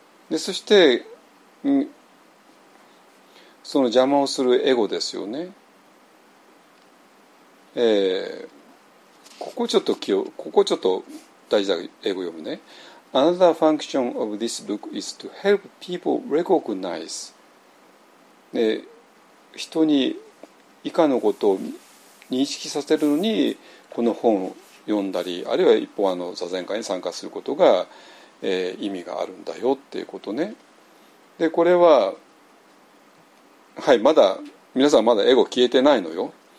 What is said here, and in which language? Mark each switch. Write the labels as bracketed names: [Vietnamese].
[Japanese] でそしてその邪魔をするエゴですよね。ここちょっと大事だ、英語読むね。 [English] Another function of this book is to help people recognize [Japanese] で人に以下のことを認識させるのにこの本を読んだり、あるいは一方あの座禅会に参加することが、意味があるんだよっていうことね。でこれは、はい、まだ皆さんまだエゴ消えてないのよ。